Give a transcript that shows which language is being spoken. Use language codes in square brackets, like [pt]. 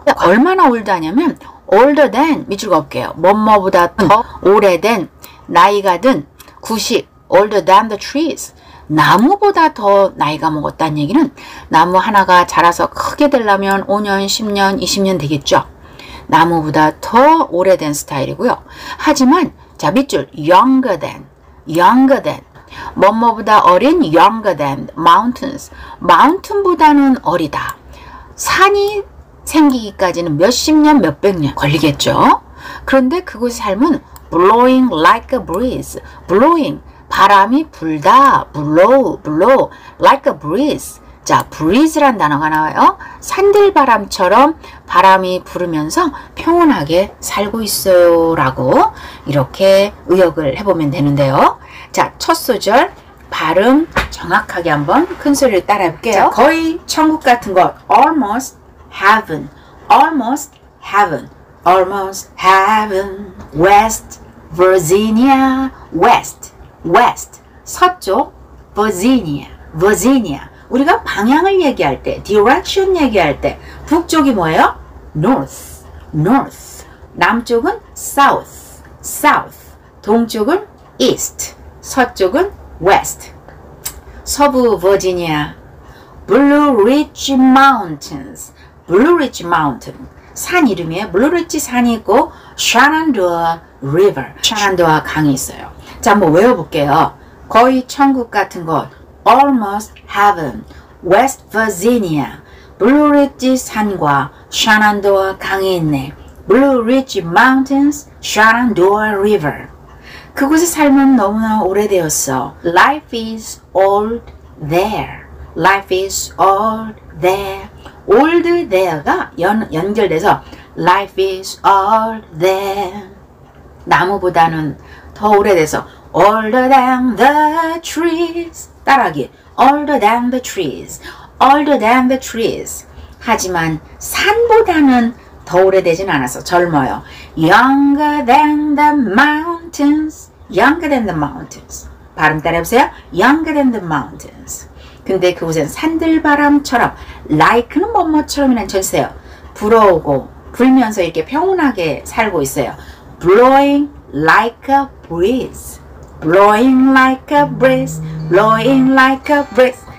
[ko] 얼마나 old 하냐면 older than, 밑줄 볼게요. 뭐뭐보다 더 오래된, 나이가 든, 90, [en] older than the trees. [ko] 나무보다 더 나이가 먹었다는 얘기는 나무 하나가 자라서 크게 되려면 5년, 10년, 20년 되겠죠. 나무보다 더 오래된 스타일이고요. 하지만 자, 밑줄 younger than, younger than, 뭐뭐보다 어린, [en] younger than mountains, [ko] mountain보다는 어리다. 산이 생기기까지는 몇십 년, 몇백 년 걸리겠죠. 그런데 그곳의 삶은 [en] blowing like a breeze, [ko] blowing, 바람이 불다, blow, blow, like a breeze. 자, breeze란 단어가 나와요. 산들바람처럼 바람이 부르면서 평온하게 살고 있어요 라고 이렇게 의역을 해보면 되는데요. 자, 첫 소절 발음 정확하게 한번 큰 소리를 따라 해볼게요. 자, 거의 천국 같은 것. [en] Almost heaven. Almost heaven. Almost heaven. West Virginia. West. West. 서쪽. Virginia. Virginia. [ko] 우리가 방향을 얘기할 때, direction 얘기할 때, 북쪽이 뭐예요? [en] North. North. 남쪽은 south. South. [ko] 동쪽은 east. 서쪽은 west. [en] 서부 버지니아. Blue Ridge Mountains. Blue Ridge Mountain. 산 이름이에요. Blue Ridge 산이 있고 Shenandoah River. [ko] Shenandoah 강이 있어요. 자, 한번 외워볼게요. 거의 천국 같은 곳. [en] Almost heaven. West Virginia. [ko] Blue Ridge 산과 Shenandoah 강이 있네. [en] Blue Ridge Mountains. Shenandoah River. [ko] 그곳에 살면 너무나 오래되었어. [en] Life is old there. Life is old there. Old there가 [ko] 연결돼서 [en] Life is old there. [ko] 나무보다는 더 오래돼서 [en] Older than the trees. 따라하기. Older than the trees. Older than the trees. [ko] 하지만 산보다는 더 오래되진 않아서 젊어요. [en] Younger than the mountains. Younger than the mountains. [ko] 발음 따라해보세요. [en] Younger than the mountains. [ko] 근데 그곳엔 산들바람처럼 like는 뭐뭐처럼이란 전세요. 불어오고 불면서 이렇게 평온하게 살고 있어요. [en] Blowing like a breeze. Blowing like a breeze. Blowing like a breeze.